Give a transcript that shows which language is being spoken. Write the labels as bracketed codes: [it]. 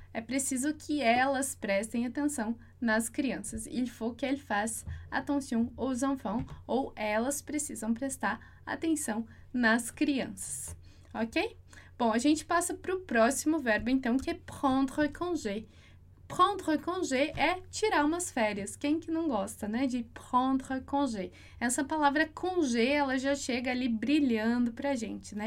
[pt] É preciso que elas prestem atenção nas crianças. [fr] Il faut qu'elle fasse attention aux enfants. [pt] Ou elas precisam prestar atenção nas crianças. Ok? Bom, a gente passa para o próximo verbo, então, que é prendre congé. Prendre congé é tirar umas férias. Quem que não gosta, né, de prendre congé? Essa palavra congé, ela já chega ali brilhando para a gente, né?